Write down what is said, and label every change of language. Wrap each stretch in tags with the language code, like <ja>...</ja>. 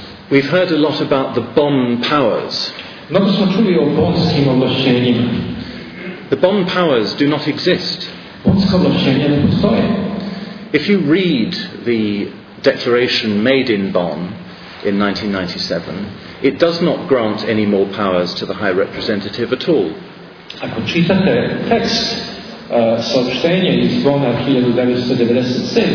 <en>We've heard a lot about the bomb powers.</en> <sr>Mnogo smo čuli o bonskim ovlašćenjima.</sr> <en>The bomb powers do not exist.</en> <sr>Bonska ovlašćenja ne postoje.</sr> <en>If you read the declaration made in Bonn in 1997, it does not grant any more powers to the High Representative at all.</en> <sr>Ako čitate tekst saopštenja iz Bona 1997.</sr>